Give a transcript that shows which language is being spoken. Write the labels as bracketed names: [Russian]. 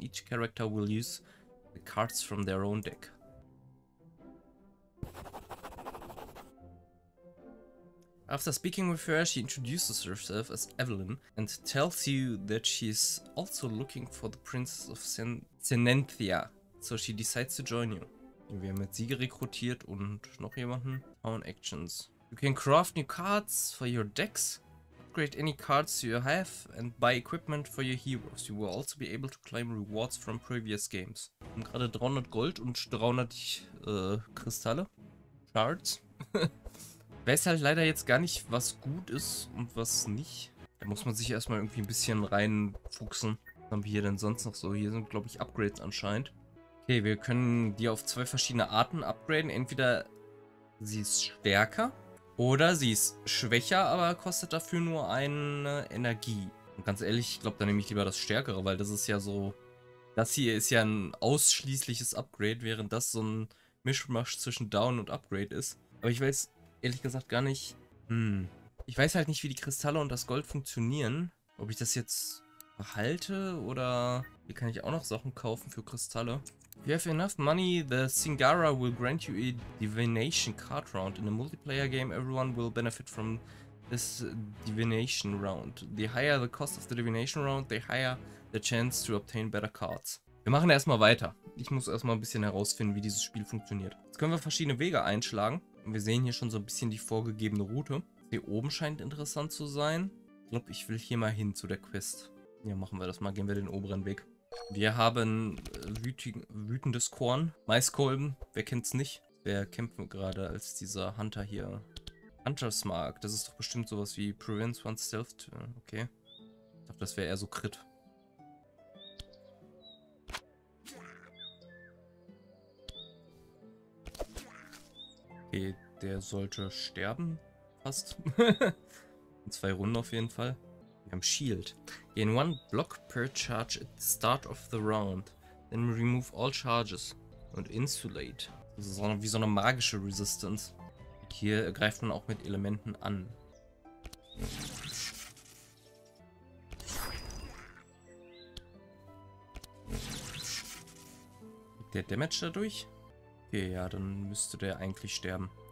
[English] Each character will use the cards from their own deck. After speaking with her, she introduces herself as Evelyn and tells you that she is also looking for the Princess of Senenthia. So she decides to join you. [German] Wir haben jetzt sie rekrutiert und noch jemanden. [English] Own actions. You can craft new cards for your decks. Create any cards you have and buy equipment for your heroes. You will also be able to claim rewards from previous games. [German] Wir haben gerade 300 Gold und 300 Kristalle. [English] Shards. [German] Ich weiß halt leider jetzt gar nicht, was gut ist und was nicht. Da muss man sich erstmal irgendwie ein bisschen reinfuchsen. Was haben wir hier denn sonst noch so? Hier sind, glaube ich, Upgrades anscheinend. Okay, wir können die auf zwei verschiedene Arten upgraden. Entweder sie ist stärker. Oder sie ist schwächer, aber kostet dafür nur eine Energie. Und ganz ehrlich, ich glaube, da nehme ich lieber das Stärkere, weil das ist ja so... Das hier ist ja ein ausschließliches Upgrade, während das so ein Mischmasch zwischen Down und Upgrade ist. Aber ich weiß ehrlich gesagt gar nicht... Ich weiß halt nicht, wie die Kristalle und das Gold funktionieren. Ob ich das jetzt behalte oder... Hier kann ich auch noch Sachen kaufen für Kristalle. [English] You have enough money, the Singara will grant you a divination card round. In a multiplayer game, everyone will benefit from this divination round. The higher the cost of the divination round, the higher the chance to obtain better cards. [German] Wir machen erstmal weiter. Ich muss erstmal ein bisschen herausfinden, wie dieses Spiel funktioniert. Jetzt können wir verschiedene Wege einschlagen. Wir sehen hier schon so ein bisschen die vorgegebene Route. Hier oben scheint interessant zu sein. Ich glaube, ich will hier mal hin zu der Quest. Ja, machen wir das mal. Gehen wir den oberen Weg. Wir haben wütendes Korn. Maiskolben. Wer kennt's nicht? Wer kämpft gerade als dieser Hunter hier? Hunter's Mark. Das ist doch bestimmt sowas wie Prevents One Stealth. Okay. Ich dachte, das wäre eher so Crit. Okay, der sollte sterben. Fast. In zwei Runden auf jeden Fall. Wir haben Shield. [English] Gain one block per charge at the start of the round. Then remove all charges. Und insulate. [German] Das ist so eine, wie so eine magische Resistance. Hier greift man auch mit Elementen an. Der Damage dadurch? Okay, ja, dann müsste der eigentlich sterben.